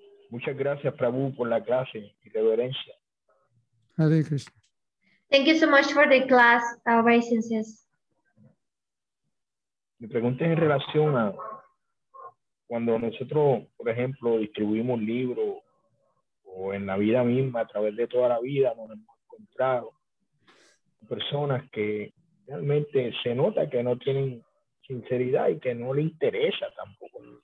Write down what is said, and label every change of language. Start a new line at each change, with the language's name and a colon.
Spanish: Muchas gracias, Prabhu, por la clase y reverencia. Hare Krishna.
English: Thank you so much for the class, Vicences.
Spanish: Mi pregunta es en relación a cuando nosotros, por ejemplo, distribuimos libros o en la vida misma, a través de toda la vida, nos hemos encontrado personas que realmente se nota que no tienen sinceridad y que no le interesa tampoco.